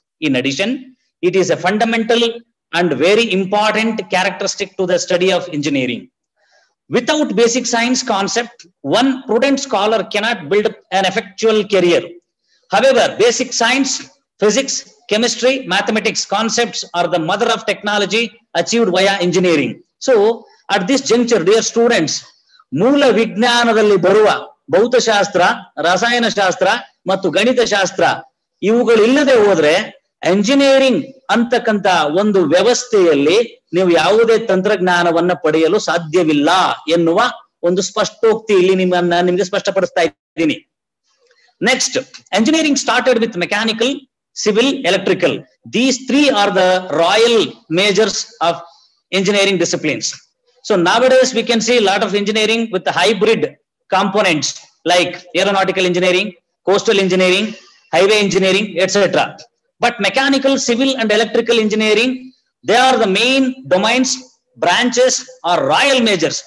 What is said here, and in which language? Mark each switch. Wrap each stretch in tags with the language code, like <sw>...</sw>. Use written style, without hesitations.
<en>In addition, it is a fundamental and very important characteristic to the study of engineering. Without basic science concept, one prudent scholar cannot build an effectual career. However, basic science, physics, chemistry, mathematics concepts are the mother of technology achieved via engineering. So at this juncture, dear students,</en> <kn>ಮೂಲ ವಿಜ್ಞಾನದಲ್ಲಿ ಬರುವ ಭೌತಶಾಸ್ತ್ರ, ರಸಾಯನಶಾಸ್ತ್ರ ಮತ್ತು ಗಣಿತಶಾಸ್ತ್ರ ಇವುಗಳಿಲ್ಲದೆ ಹೋದ್ರೆ engineering ಅಂತಕ್ಕಂತ ಒಂದು ವ್ಯವಸ್ಥೆಯಲ್ಲಿ ನೀವು ಯಾವುದೇ ತಂತ್ರಜ್ಞಾನವನ್ನ ಪಡೆಯಲು ಸಾಧ್ಯವಿಲ್ಲ ಎನ್ನುವ ಒಂದು ಸ್ಪಷ್ಟೋಕ್ತಿ ಇಲ್ಲಿ ನಿಮಗೆ ಸ್ಪಷ್ಟಪಡಿಸ್ತಾ ಇದ್ದೀನಿ.</kn> <en>Next, engineering started with mechanical, civil, electrical. These three are the royal majors of engineering disciplines. So nowadays we can see a lot of engineering with hybrid components like aeronautical engineering, coastal engineering, highway engineering, etc. But mechanical, civil and electrical engineering, they are the main domains, branches or royal majors.</en>